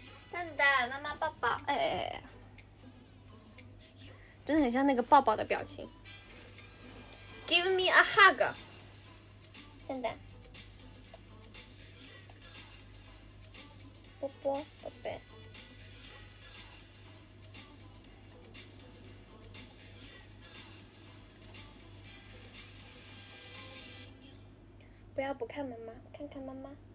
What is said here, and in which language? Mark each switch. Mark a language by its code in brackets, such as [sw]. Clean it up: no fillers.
[zh] 蛋蛋，妈妈抱抱。哎哎哎，真的很像那个抱抱的表情。 [en] Give me a hug， 蛋蛋。 [zh] 波波，宝贝，不要不看妈妈，看看妈妈。